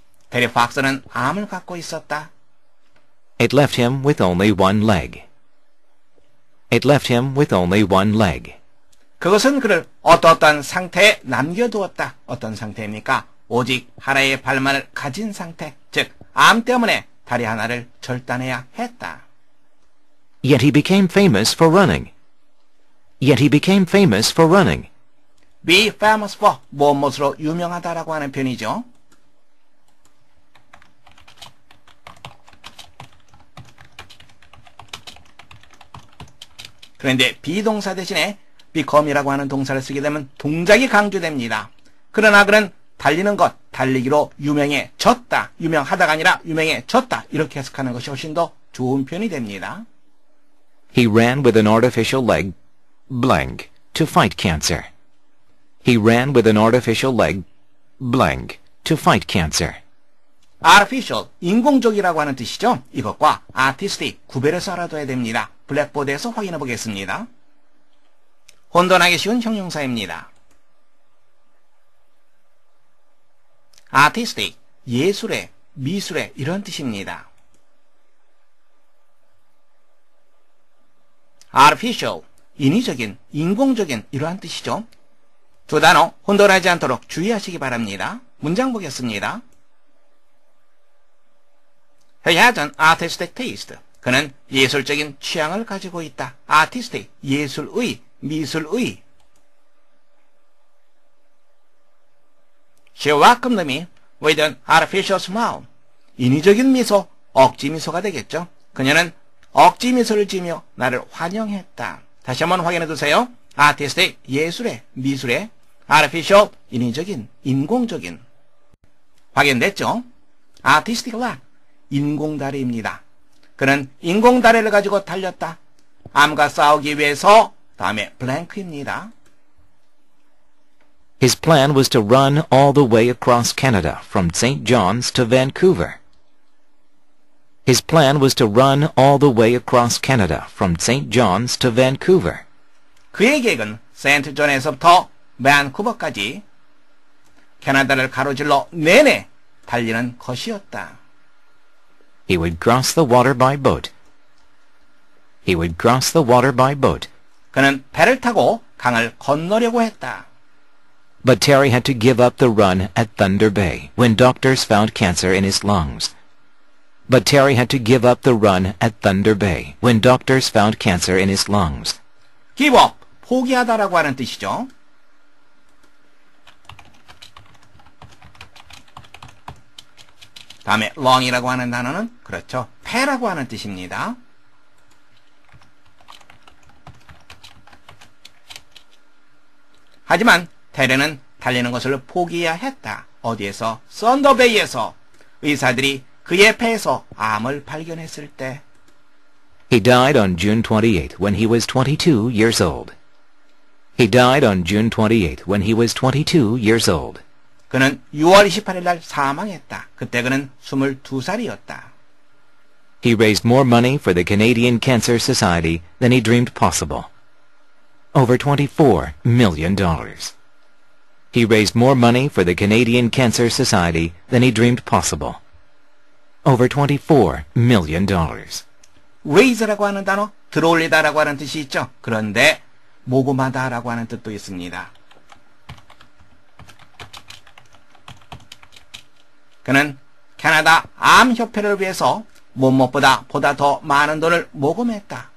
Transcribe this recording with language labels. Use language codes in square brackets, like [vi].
[ko] Terry Fox는 암을 갖고 있었다. [en] It left him with only one leg. It left him with only one leg. [ko] 그것은 그를 어떠한 상태에 남겨두었다. 어떤 상태입니까? 오직 하나의 발만을 가진 상태, 즉 암 때문에 다리 하나를 절단해야 했다. [en] Yet he became famous for running. Yet he became famous for running. Be famous for [ko] 무엇으로 유명하다라고 하는 표현이죠. Be 비동사 대신에 become이라고 하는 동사를 쓰게 되면 동작이 강조됩니다. 그러나 그는 달리는 것, 달리기로 유명해졌다. 유명하다가 아니라 유명해졌다. 이렇게 해석하는 것이 훨씬 더 좋은 표현이 됩니다. [en] He ran with an artificial leg, blank, to fight cancer. He ran with an artificial leg, blank, to fight cancer. [ko] Artificial, 인공적이라고 하는 뜻이죠. 이것과 artistic, 구별해서 알아둬야 됩니다. 블랙보드에서 확인해 보겠습니다. 혼돈하기 쉬운 형용사입니다. Artistic, 예술의, 미술의 이런 뜻입니다. Artificial, 인위적인, 인공적인 이러한 뜻이죠. 두 단어 혼돈하지 않도록 주의하시기 바랍니다. 문장 보겠습니다. [en] He has an artistic taste. [ko] 그는 예술적인 취향을 가지고 있다. Artistic, 예술의, 미술의. [en] She welcomed me with an artificial smile. [ko] 인위적인 미소, 억지 미소가 되겠죠. 그녀는 억지 미소를 지며 나를 환영했다. 다시 한번 확인해 두세요. Artistic, 예술의, 미술의. Artificial, 인위적인, 인공적인. 확인됐죠? Artistic rock, 인공다리입니다. 그는 인공다리를 가지고 달렸다. 암과 싸우기 위해서 다음에 blank입니다. [en] His plan was to run all the way across Canada from St. John's to Vancouver. His plan was to run all the way across Canada from St. John's to Vancouver. [ko] 그의 계획은 St. John에서부터 Vancouver까지 캐나다를 가로질러 내내 달리는 것이었다. [en] He would cross the water by boat. He would cross the water by boat. [ko] 그는 배를 타고 강을 건너려고 했다. [en] But Terry had to give up the run at Thunder Bay when doctors found cancer in his lungs. But Terry had to give up the run at Thunder Bay when doctors found cancer in his lungs. Give up, [ko] 포기하다라고 하는 뜻이죠. Long이라고 하는 단어는 그렇죠. 폐라고 하는 뜻입니다. 하지만 테레는 달리는 것을 포기해야 했다. 어디에서? 썬더베이에서. 의사들이 그의 폐에서 암을 발견했을 때. [en] He died on June 28th when he was 22 years old. He died on June 28th when he was 22 years old. [ko] 그는 6월 28일 날 사망했다. 그때 그는 22살이었다. [en] He raised more money for the Canadian Cancer Society than he dreamed possible. Over $24 million. He raised more money for the Canadian Cancer Society than he dreamed possible. Over $24 million. [ko] Raise라고 하는 단어, 들어올리다라고 하는 뜻이 있죠. 그런데 모금하다라고 하는 뜻도 있습니다. 그는 캐나다 암협회를 위해서 무엇보다 보다 더 많은 돈을 모금했다.